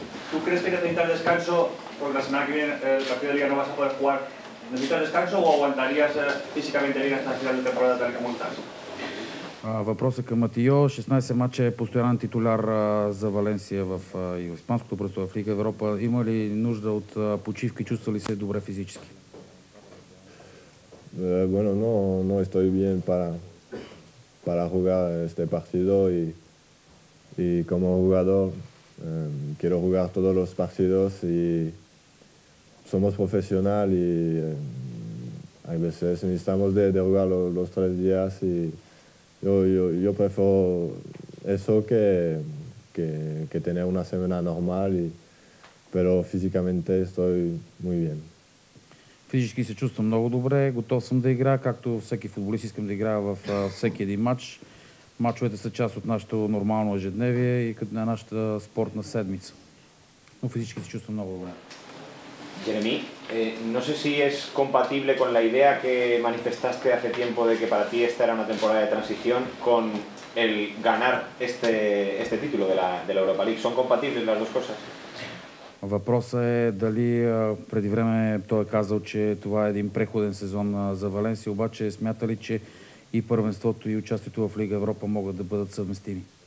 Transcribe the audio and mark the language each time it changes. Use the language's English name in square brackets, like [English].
[Spanish] ¿Tú crees que necesitas descanso? Porque la semana que viene el partido de liga no vas a poder jugar. ¿Necesitas descanso o aguantarías físicamente bien hasta el final de temporada tal como estás? [Bulgarian] Въпросът е към Матио. 16 мача е постоянен титуляр за Валенсия в Испанското първенство, в Лига Европа. Има ли нужда от почивки? Чувства ли се добре физически? [Spanish] Bueno, no estoy bien para jugar este partido y como jugador quiero jugar todos los partidos y somos profesional y a veces necesitamos de jugar los tres días y Yo prefiero eso que tener una semana normal, pero físicamente estoy muy bien. [Bulgarian] Физически се чувствам много добре, готов съм да играя, както всеки футболист искам да играя във всеки един матч. Матчовете са част от нашето нормално ежедневие и като на нашата спортна седмица. Но физически се чувствам много добре. [Spanish] Jeremy, no sé si es compatible con la idea que manifestaste hace tiempo de que para ti esta era una temporada de transición con el ganar este título de la Europa League. ¿Son compatibles las dos cosas? [Bulgarian] Въпросът е дали преди време той е казал, че това е един преходен сезон за Валенсия, обаче смята ли, че и първенството и участието в Лига Европа могат да бъдат съвместими?